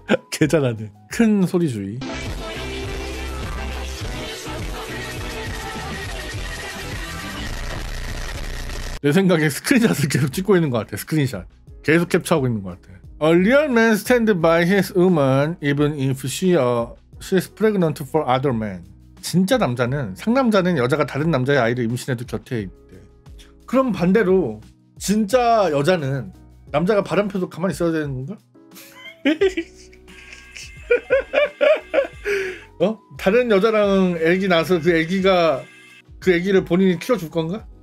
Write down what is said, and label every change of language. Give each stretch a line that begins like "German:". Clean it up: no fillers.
Korean: 괜찮아네. 큰 소리 주의. 내 생각에 스크린샷을 계속 찍고 있는 것 같아. 스크린샷 계속 캡처하고 있는 것 같아.
English: A real man stand by his woman even if she's pregnant for other men.
Korean: 진짜 남자는 상남자는 여자가 다른 남자의 아이를 임신해도 곁에 있대. 그럼 반대로 진짜 여자는 남자가 바람펴도 가만히 있어야 되는 건가? 어? 다른 여자랑 애기 낳아서 그 애기를 본인이 키워줄 건가?